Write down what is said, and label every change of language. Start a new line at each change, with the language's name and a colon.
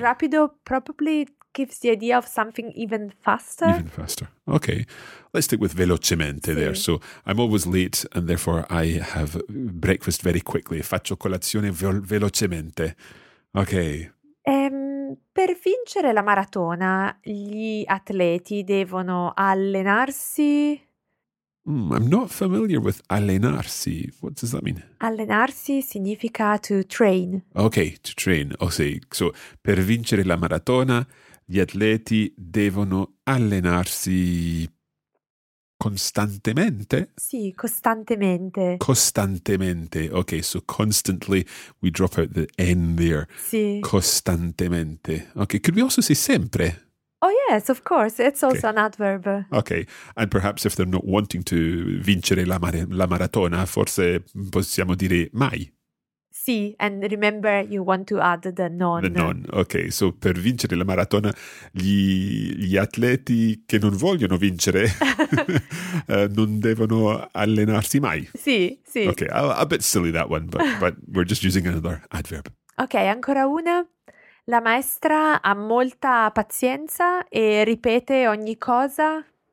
English: Rapido probably gives the idea of something even faster. Even faster. Okay. Let's stick with velocemente sì. there. So I'm always late and therefore I have breakfast very quickly.
Italian: Faccio colazione velocemente.
English: Okay.
Italian: Per vincere la maratona, gli atleti devono allenarsi...
English: I'm not familiar with allenarsi. What does that mean?
Italian: Allenarsi significa
English: to train. Okay, to train. Oh, sì. So,
Italian: per vincere la maratona... Gli atleti devono allenarsi costantemente? Sì, costantemente. Costantemente.
English: Okay, so constantly, we drop out the N there.
Italian: Sì. Costantemente.
English: Okay, could we also say sempre? Oh yes, of course, it's also okay. An adverb. Okay, and perhaps if they're not wanting to
Italian: vincere la maratona, forse possiamo dire mai.
English: Sì, and remember you want to add the non. The non, ok.
Italian: So per vincere la maratona, gli atleti che non vogliono vincere non devono allenarsi mai. Sì, sì.
English: Ok, a bit silly that one, but we're just using another adverb.
Italian: Ok, ancora una. La maestra ha molta pazienza e ripete ogni cosa.